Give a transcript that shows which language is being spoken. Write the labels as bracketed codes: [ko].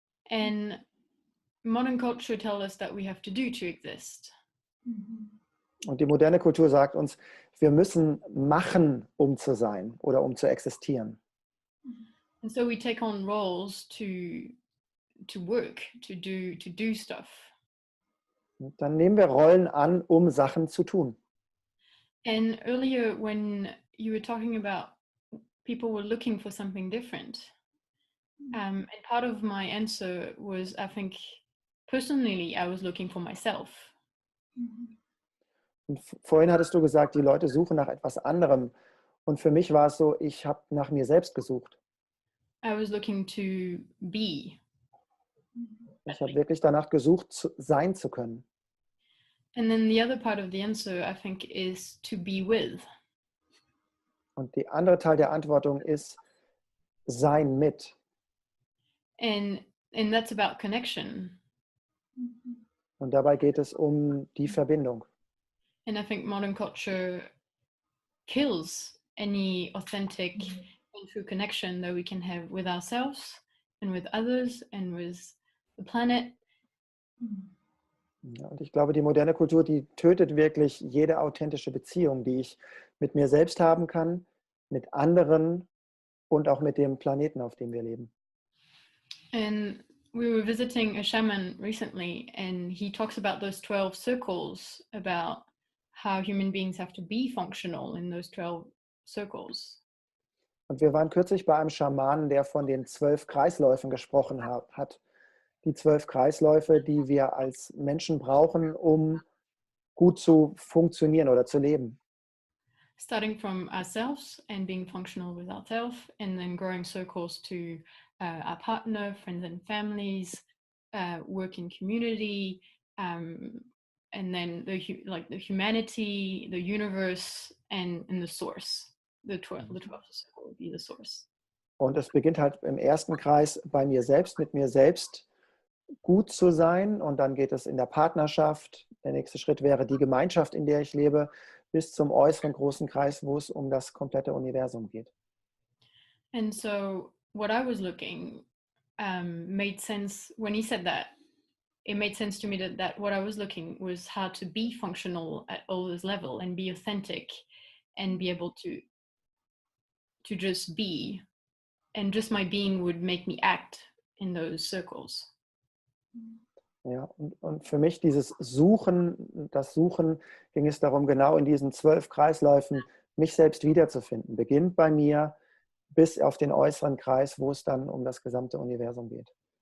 [en] And modern culture tells us that we have to do to exist. [de] Und die moderne Kultur sagt uns, wir müssen machen, um zu sein oder um zu existieren. [en] And so we take on roles to work, to do stuff. [de] Dann nehmen wir Rollen an, um Sachen zu tun. [en] And earlier when you were talking about people were looking for something different, and part of my answer was, I think, personally, I was looking for myself. [de] Und vorhin hattest du gesagt, die Leute suchen nach etwas anderem. Und für mich war es so, ich habe nach mir selbst gesucht. [en] I was looking to be. [de] Ich habe wirklich danach gesucht, sein zu können. [en] And then the other part of the answer, I think, is to be with. [de] Und die andere Teil der Antwortung ist sein mit. [en] And that's about connection. [de] Und dabei geht es um die Verbindung. [en] And I think modern culture kills any authentic and true connection that we can have with ourselves and with others and with the planet. [de] Ja, und ich glaube, die moderne Kultur, die tötet wirklich jede authentische Beziehung, die ich mit mir selbst haben kann, mit anderen und auch mit dem Planeten, auf dem wir leben. [en] And we were visiting a shaman recently and he talks about those 12 circles, about how human beings have to be functional in those 12 circles. [de] Und wir waren kürzlich bei einem Schamanen, der von den 12 Kreisläufen gesprochen hat. Die 12 Kreisläufe, die wir als Menschen brauchen, um gut zu funktionieren oder zu leben. [en] Starting from ourselves and being functional with ourselves, and then growing circles to our partner, friends and families, work in community, and then the humanity, the universe, and the source, the source. [de] Und es beginnt halt im ersten Kreis bei mir selbst, mit mir selbst gut zu sein, und dann geht es in der Partnerschaft. Der nächste Schritt wäre die Gemeinschaft, in der ich lebe, bis zum äußeren großen Kreis, wo es um das komplette Universum geht. [en] And so what I was looking made sense when he said that. It made sense to me that what I was looking was how to be functional at all this level and be authentic and be able to just be, and just my being would make me act in those circles. [de] Ja, und für mich dieses Suchen, das Suchen ging es darum, genau in diesen 12 Kreisläufen mich selbst wiederzufinden. Beginnt bei mir bis auf den äußeren Kreis, wo es dann um das gesamte Universum geht.